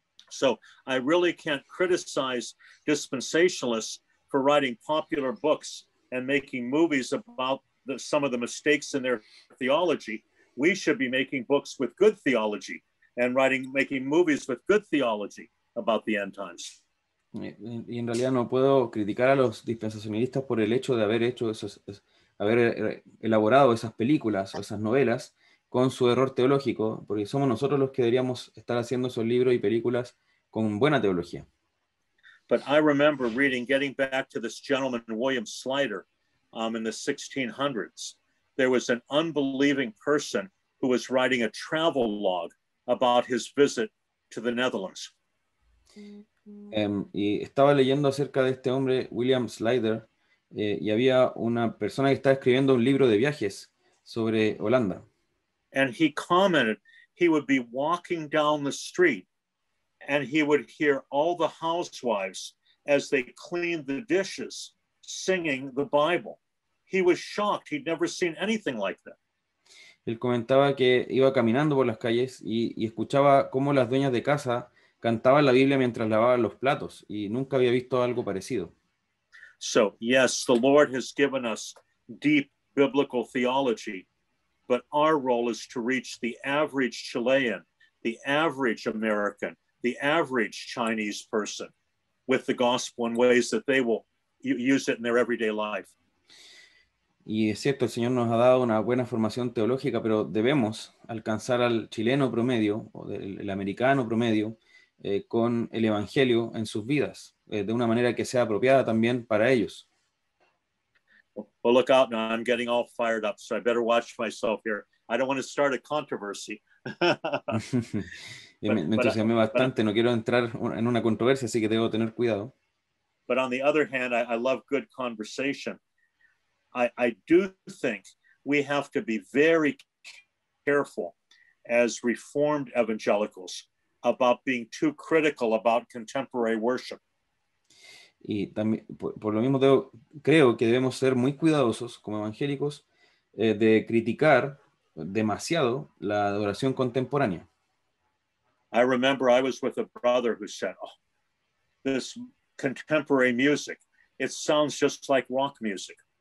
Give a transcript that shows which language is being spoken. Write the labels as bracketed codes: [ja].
[en] So I really can't criticize dispensationalists for writing popular books and making movies about some of the mistakes in their theology. We should be making books with good theology and making movies with good theology about the end times. [es] Y en realidad no puedo criticar a los dispensacionalistas por el hecho de haber elaborado esas películas o esas novelas con su error teológico, porque somos nosotros los que deberíamos estar haciendo esos libros y películas con buena teología. [en] But I remember reading, getting back to this gentleman, William Slider, in the 1600s. There was an unbelieving person who was writing a travel log about his visit to the Netherlands. [es] Y estaba leyendo acerca de este hombre, William Slider, y había una persona que estaba escribiendo un libro de viajes sobre Holanda. [en] And he commented he would be walking down the street and he would hear all the housewives as they cleaned the dishes singing the Bible. He was shocked. He'd never seen anything like that. [es] Él comentaba que iba caminando por las calles y escuchaba cómo las dueñas de casa cantaban la Biblia mientras lavaban los platos y nunca había visto algo parecido. [en] So, yes, the Lord has given us deep biblical theology, but our role is to reach the average Chilean, the average American, the average Chinese person with the gospel in ways that they will use it in their everyday life. [es] Y es cierto, el Señor nos ha dado una buena formación teológica, pero debemos alcanzar al chileno promedio o el americano promedio con el evangelio en sus vidas de una manera que sea apropiada también para ellos. [en] Well, look out now, I'm getting all fired up, so I better watch myself here. I don't want to start a controversy. [es] Me entusiasmé bastante, no quiero entrar en una controversia, así que debo tener cuidado. [en] But on the other hand, I love good conversation. I do think we have to be very careful as Reformed evangelicals about being too critical about contemporary worship. [es] Y también, por lo mismo, creo que debemos ser muy cuidadosos como evangélicos de criticar demasiado la adoración contemporánea. [en] I remember I was with a brother who said, oh, this contemporary music, it sounds just like rock music.